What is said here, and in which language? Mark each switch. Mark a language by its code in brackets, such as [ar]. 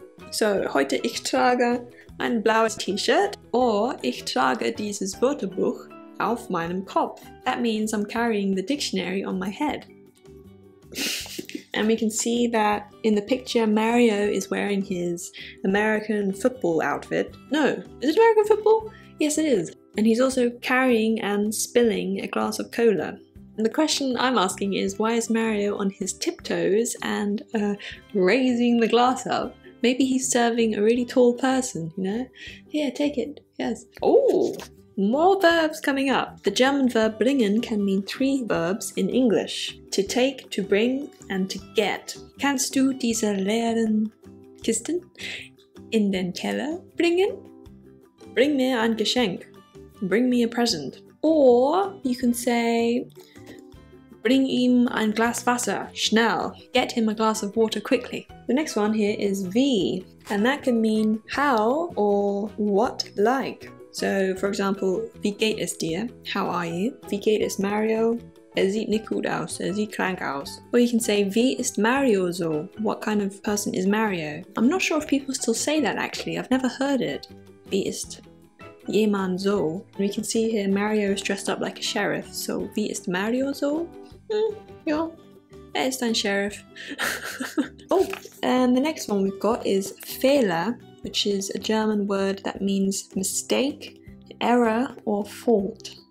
[de] So, heute ich trage ein blaues T-shirt, or ich trage dieses Wörterbuch auf meinem Kopf. [en] That means I'm carrying the dictionary on my head. And we can see that in the picture, Mario is wearing his American football outfit. No, is it American football? Yes, it is. And he's also carrying and spilling a glass of cola. And the question I'm asking is, why is Mario on his tiptoes and raising the glass up? Maybe he's serving a really tall person, you know? Here, take it. Yes. Oh, more verbs coming up. The German verb bringen can mean three verbs in English. To take, to bring, and to get. [de] Kannst du diese leeren Kisten in den Keller bringen? Bring mir ein Geschenk. [en] Bring me a present. Or you can say, [de] bring ihm ein Glas Wasser, schnell. [en] Get him a glass of water quickly. The next one here is wie, and that can mean how or what like. So, for example, [de] wie geht es dir? [en] How are you? [de] Wie geht es Mario? Er sieht nicht gut aus, er sieht krank aus. [en] Or you can say, [de] wie ist Mario so? [en] What kind of person is Mario? I'm not sure if people still say that actually, I've never heard it. [de] Wie ist jemand so? [en] We can see here Mario is dressed up like a sheriff, so [de] wie ist Mario so? Ja, er ist ein Sheriff. [en] Oh, and the next one we've got is Fehler, which is a German word that means mistake, error, or fault.